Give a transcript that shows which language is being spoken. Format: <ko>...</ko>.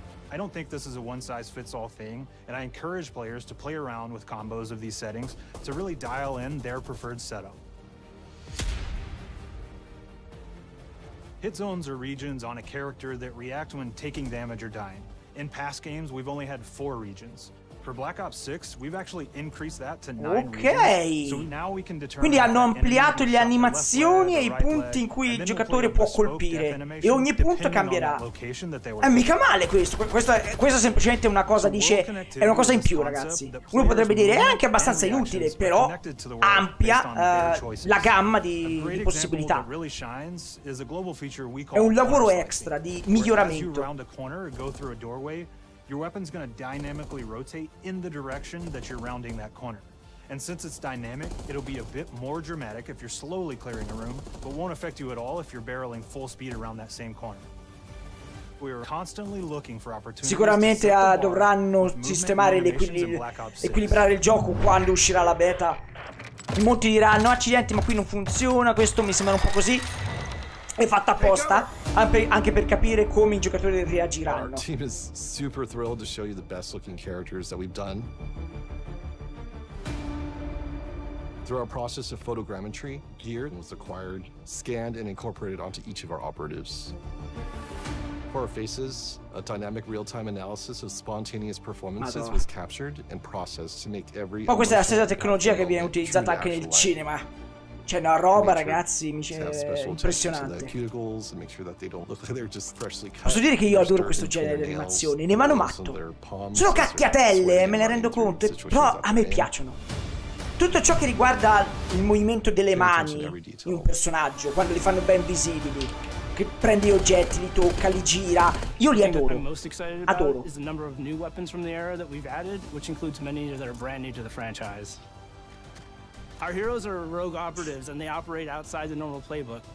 <en>I don't think this is a one-size-fits-all thing, and I encourage players to play around with combos of these settings to really dial in their preferred setup. Hit zones are regions on a character that react when taking damage or dying. In past games, we've only had 4 regions. For Black Ops 6, we've actually increased that to 9 okay. regions. So now we can determine.</en> <it>Quindi hanno ampliato le animazioni e i punti in cui il giocatore può colpire e ogni punto cambierà. È mica male questo. Questo è semplicemente una cosa, dice, è una cosa in più, ragazzi. Uno potrebbe dire è anche abbastanza inutile, però ampia la gamma di possibilità. È un lavoro extra di miglioramento.</it> <en>Your weapon's gonna dynamically rotate in the direction that you're rounding that corner. And since it's dynamic, it'll be a bit more dramatic if you're slowly clearing a room, but won't affect you at all if you're barreling full speed around that same corner. We're constantly looking for opportunities.</en> <it>Sicuramente dovranno sistemare equilibrare il gioco quando uscirà la beta. Molti diranno, accidenti, ma qui non funziona, questo mi sembra un po' così. È fatta apposta anche per capire come i giocatori reagiranno.</it> <en>Our team is super thrilled to show you the best looking characters that we've done. Through our process of photogrammetry, gear was acquired, scanned and incorporated onto each of our operatives. For our faces, a dynamic real-time analysis of spontaneous performances was captured and processed to make every.</en> <it>Ma questa è la stessa tecnologia che viene utilizzata anche nel cinema. C'è una roba, ragazzi, mi c'è impressionante. Posso dire che io adoro questo genere di animazioni, ne vanno matto. Sono cacchiatelle, me ne rendo conto, però a me piacciono. tutto ciò che riguarda il movimento delle mani di un personaggio, quando li fanno ben visibili, che prende gli oggetti, li tocca, li gira, io li adoro. Adoro.</it> <en>Is the number of new weapons from the era that we've added, which includes many that are brand new to the franchise. Our heroes are rogue operatives and they operate outside the normal playbook.</en>